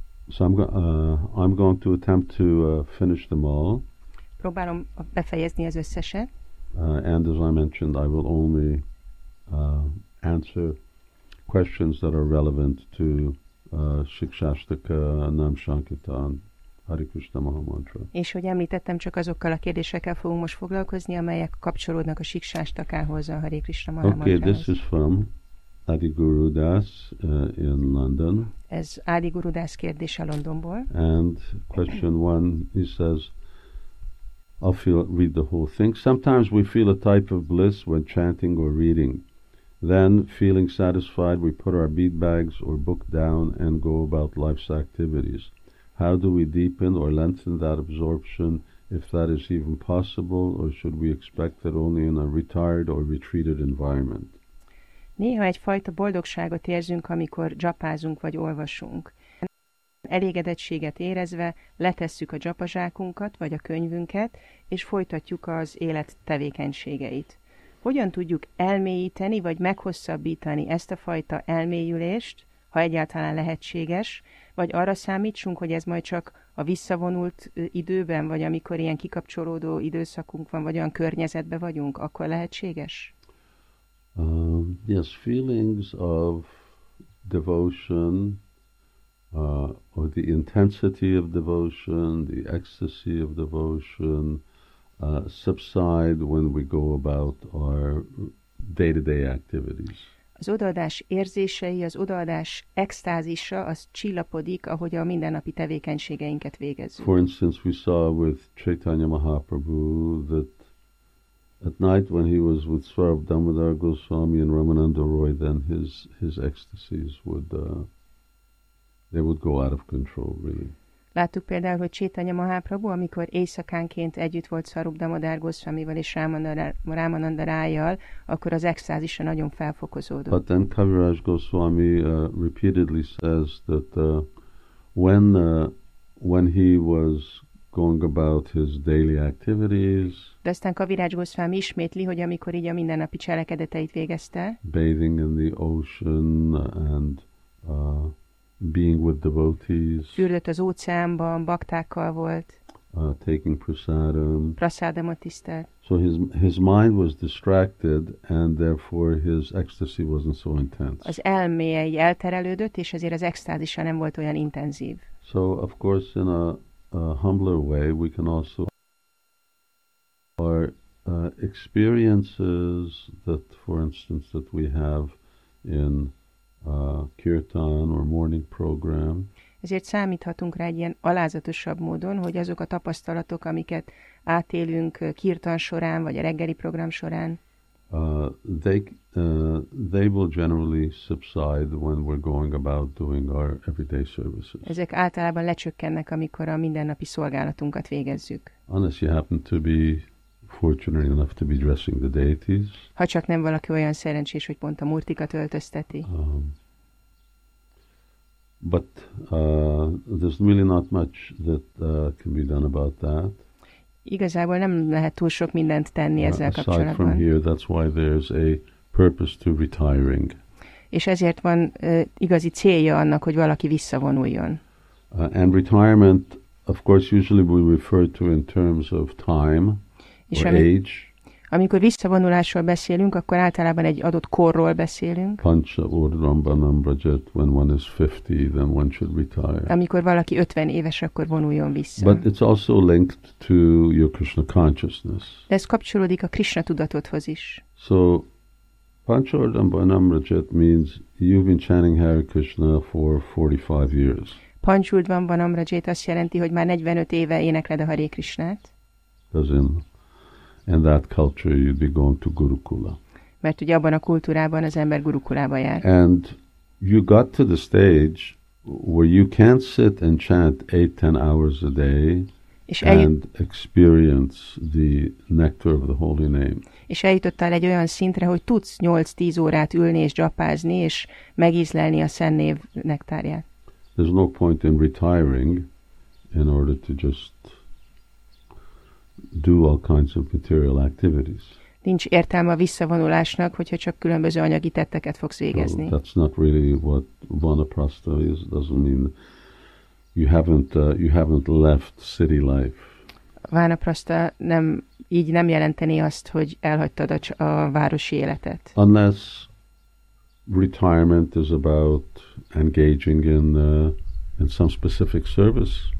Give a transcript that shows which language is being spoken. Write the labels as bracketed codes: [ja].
[en] So I'm going to attempt to finish them all. [hu] Próbálom befejezni az összeset. [en] And as I mentioned, I will only answer questions that are relevant to Shikshashtaka, Nam Sankirtan, Hare Krishna Mahamantra. [hu] És hogy említettem, csak azokkal a kérdésekkel fogunk most foglalkozni, amelyek kapcsolódnak a Shikshashtakához, a Hare Krishna Mahamantrahoz. [en] Okay, this is from Adi Guru Das in London. [hu] Ez Adi Guru Das kérdése Londonból. [en] And question one, he says, I'll feel, read the whole thing. Sometimes we feel a type of bliss when chanting or reading. Then, feeling satisfied, we put our bead bags or book down and go about life's activities. How do we deepen or lengthen that absorption, if that is even possible, or should we expect that only in a retired or retreated environment? [hu] Néha egyfajta boldogságot érzünk, amikor dzsapázunk vagy olvasunk. Elégedettséget érezve letesszük a dzsapazsákunkat vagy a könyvünket, és folytatjuk az élet tevékenységeit. Hogyan tudjuk elmélyíteni vagy meghosszabbítani ezt a fajta elmélyülést, ha egyáltalán lehetséges, vagy arra számítsunk, hogy ez majd csak a visszavonult időben, vagy amikor ilyen kikapcsolódó időszakunk van, vagy olyan környezetben vagyunk, akkor lehetséges? [en] Yes, feelings of devotion, or the intensity of devotion, the ecstasy of devotion, subside when we go about our day-to-day activities. [hu] Az odaadás érzései, az odaadás extázisa, az csillapodik, ahogy a mindennapi tevékenységeinket végezzük. [en] For instance, we saw with Chaitanya Mahaprabhu that at night when he was with Swarup Damodar Goswami and Ramananda Roy, then his ecstasies would they would go out of control, really. [hu] Láttuk például, hogy Chaitanya Mahaprabhu, amikor éjszakánként együtt volt Swarup Damodar Goswamival és Ramananda Rájjal, akkor az extázisa nagyon felfokozódott. [en] But then Kaviraj Goswami repeatedly says that when he was going about his daily activities, [hu] de aztán Kaviraj Goswami ismétli, hogy amikor így a mindennapi cselekedeteit végezte, [en] bathing in the ocean and being with devotees, [hu] fürdött az óceánban, baktákkal volt, [en] taking prasadam, [hu] prasadamot tisztelt. [en] So his mind was distracted, and therefore his ecstasy wasn't so intense. [hu] Az elméje így elterelődött, és ezért az extázisa nem volt olyan intenzív. [en] So of course in a humbler way we can also our experiences that, for instance, that we have in kirtan or morning program. [hu] Ezért számíthatunk rá egy ilyen alázatosabb módon, hogy azok a tapasztalatok, amiket átélünk kirtan során vagy a reggeli program során, [en] they will generally subside when we're going about doing our everyday services. [hu] Ezek általában lecsökkennek, amikor a mindennapi szolgálatunkat végezzük. [en] Unless you happen to be fortunate enough to be dressing the deities. [hu] Ha csak nem valaki olyan szerencsés, hogy pont a murtikat öltözteti. [en] But there's really not much that can be done about that. [hu] Igazából nem lehet túl sok mindent tenni ezzel [en] aside [hu] kapcsolatban. [en] Aside from here, that's why there's a purpose to retiring. [hu] És ezért van igazi célja annak, hogy valaki visszavonuljon. [en] And retirement, of course, usually we refer to in terms of time. [hu] És amikor visszavonulásról beszélünk, akkor általában egy adott korról beszélünk. [sa] Pancha urdrambanam brajat, [en] when one is 50, then one should retire. [hu] Amikor valaki 50 éves, akkor vonuljon vissza. [en] But it's also linked to your Krishna consciousness. [hu] De ez kapcsolódik a Krishna tudatodhoz is. [en] So, [sa] pancha urdrambanam brajat [en] means you've been chanting Hare Krishna for 45 years. [sa] Pancha urdrambanam brajat [hu] azt jelenti, hogy már 45 éve énekled a Hare Krishnát. [en] In that culture, you'd be going to Gurukula. [hu] Mert ugye abban a kultúrában az ember Gurukulába jár. [en] And you got to the stage where you can't sit and chant 8-10 hours a day. and experience the nectar of the holy name. [hu] És eljutottál egy olyan szintre, hogy tudsz 8-10 órát ülni és dzsapázni és megízlelni a Szent Név nektárját. [en] There's no point in retiring in order to just do all kinds of material activities. [hu] Nincs értelme a visszavonulásnak, hogyha csak különböző anyagi tetteket fogsz végezni. [en] So that's not really what vanaprastha is. Doesn't mean you haven't left city life. [hu] Vanaprastha nem így nem jelenteni azt, hogy elhagytad a városi életet. [en] Unless retirement is about engaging in some specific service.